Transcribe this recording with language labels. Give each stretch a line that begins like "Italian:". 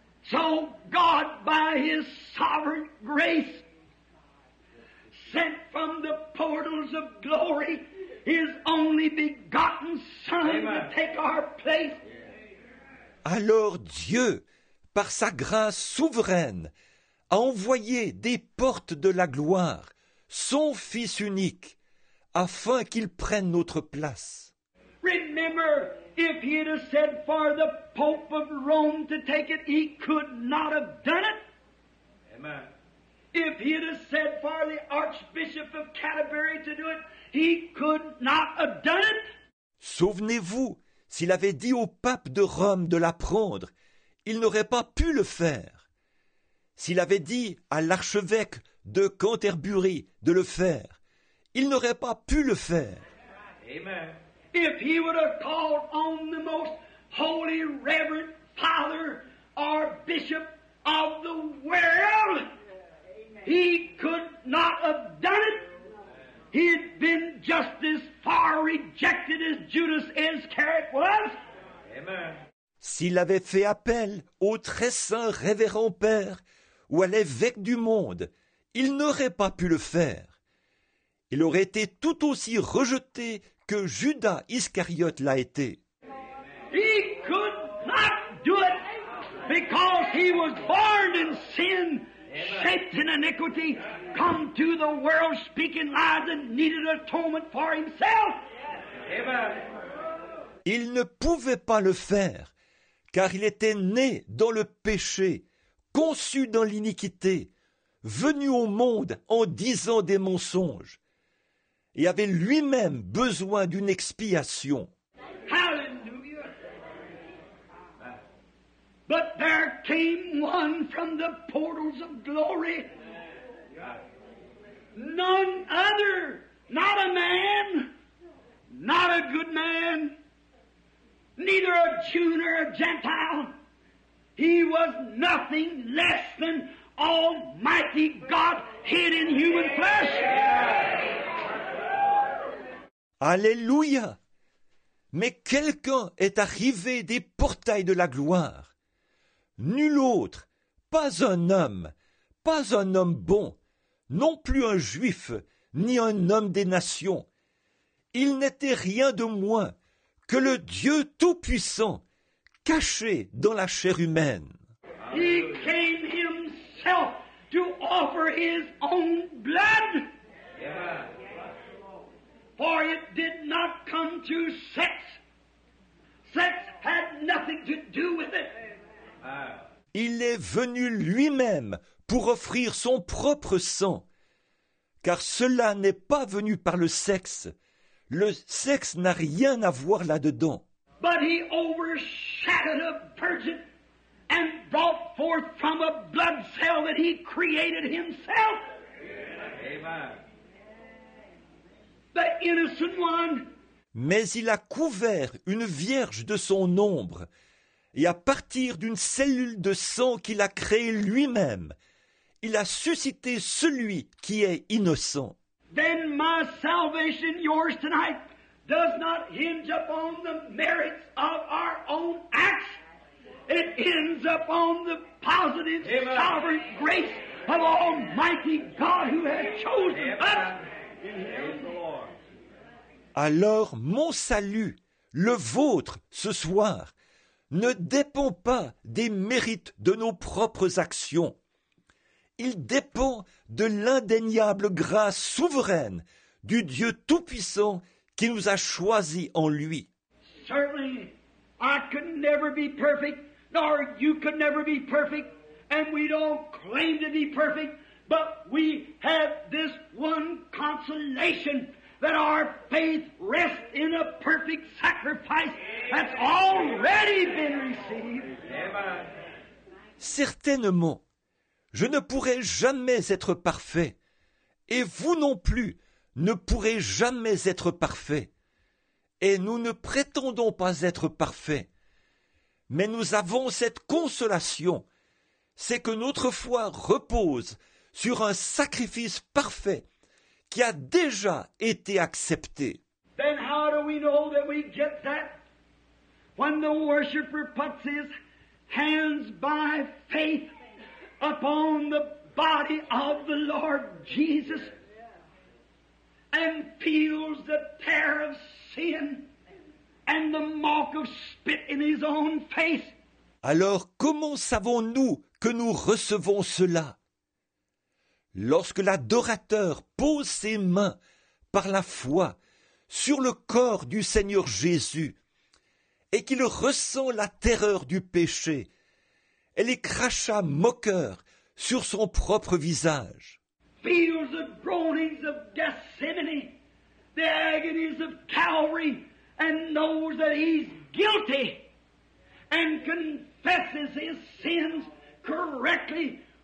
English: So God, by his sovereign grace, sent from the portals of glory his only begotten Son. Amen. To take our place.
French: Alors Dieu, par sa grâce souveraine, a envoyé des portes de la gloire, son Fils unique, afin qu'il prenne notre place.
English: Remember, if he had said for the Pope of Rome to take it, he could not have done it. Amen. If he had said for the Archbishop of Canterbury to do it, he could not have done it.
French: Souvenez-vous, s'il avait dit au pape de Rome de la prendre, il n'aurait pas pu le faire. S'il avait dit à l'archevêque de Canterbury de le faire, il n'aurait pas pu le faire.
English: Amen. If he would have called on the most holy, reverend father or bishop of the world, he could not have done it. He had been just as far rejected as Judas Iscariot was. Amen.
French: S'il avait fait appel au très saint révérend père ou à l'évêque du monde, il n'aurait pas pu le faire. Il aurait été tout aussi rejeté que Judas Iscariot l'a été.
English: He could not do it because he was born in sin, shaped in iniquity, come to the world speaking lies and needed atonement for himself. Amen.
French: Il ne pouvait pas le faire car il était né dans le péché, conçu dans l'iniquité, venu au monde en disant des mensonges. Et avait lui-même besoin d'une expiation.
English: Hallelujah. But there came one from the portals of glory. None other, not a man, not a good man, neither a Jew nor a Gentile. He was nothing less than Almighty God hid in human flesh.
French: Alléluia! Mais quelqu'un est arrivé des portails de la gloire. Nul autre, pas un homme bon, non plus un juif, ni un homme des nations. Il n'était rien de moins que le Dieu Tout-Puissant, caché dans la chair humaine.
English: He came himself to offer his own blood. For it did not come through sex. Sex had nothing to do with it.
French: Il est venu lui-même pour offrir son propre sang. Car cela n'est pas venu par le sexe. Le sexe n'a rien à voir là-dedans.
English: But he overshadowed a virgin and brought forth from a blood cell that he created himself. Amen. The innocent one.
French: Mais il a couvert une vierge de son ombre, et à partir d'une cellule de sang qu'il a créée lui-même, il a suscité celui qui est innocent.
English: Then my salvation, yours tonight, does not hinge upon the merits of our own acts. It hinges upon the positive, Amen. Sovereign grace of Almighty God who has chosen Amen. Us.
French: Alors mon salut, le vôtre ce soir, ne dépend pas des mérites de nos propres actions. Il dépend de l'indéniable grâce souveraine du Dieu Tout-Puissant qui nous a choisis en lui.
English: Certainly, I could never be perfect, nor you could never be perfect, and we don't claim to be perfect, but we have this one consolation that our faith rests in a perfect sacrifice that's already been received. Amen.
French: Certainement. Je ne pourrai jamais être parfait, et vous non plus ne pourrez jamais être parfait. Et nous ne prétendons pas être parfaits, mais nous avons cette consolation, c'est que notre foi repose sur un sacrifice parfait qui a déjà été accepté.
English: Then how do we know that we get that when the worshipper puts his hands by faith upon the body of the Lord Jesus and feels the tear of sin and the mark of spit in his own face.
French: Alors comment savons-nous que nous recevons cela? Lorsque l'adorateur pose ses mains par la foi sur le corps du Seigneur Jésus et qu'il ressent la terreur du péché et les crachats moqueurs sur son propre visage.
English: Feels the groanings of Gethsemane, the agonies of Calvary, and knows that he's guilty, and confesses his sins correctly.